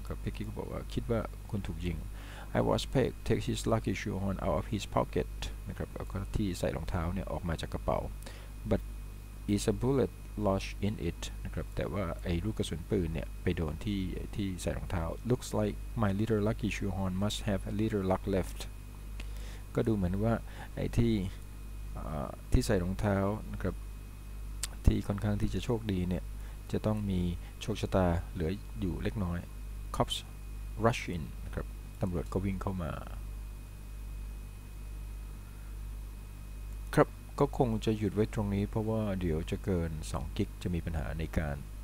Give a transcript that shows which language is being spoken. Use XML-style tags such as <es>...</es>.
<th>Peggy บอกว่าคิดว่าคุณถูกยิง</th> <en>I was Peg. Takes his lucky shoehorn out of his pocket.</en> <th>นะครับก็ที่ใส่รองเท้าเนี่ยออกมาจากกระเป๋า</th> <en>But is a bullet lodged in it.</en> <th>นะครับแต่ว่าไอ้ลูกกระสุนปืนเนี่ยไปโดนที่ใส่รองเท้า</th> <en>Looks like my little lucky shoehorn must have a little luck left.</en> <th>ก็ดูเหมือนว่าไอ้ที่ใส่รองเท้านะครับที่ค่อนข้างที่จะโชคดีเนี่ยจะต้องมีโชคชะตาเหลืออยู่เล็กน้อย</th> <en>Cops rush in</en> <th>นะครับตำรวจก็วิ่งเข้ามาครับก็คงจะหยุดไว้ตรงนี้เพราะว่าเดี๋ยวจะเกิน2กิกจะมีปัญหาในการ</th>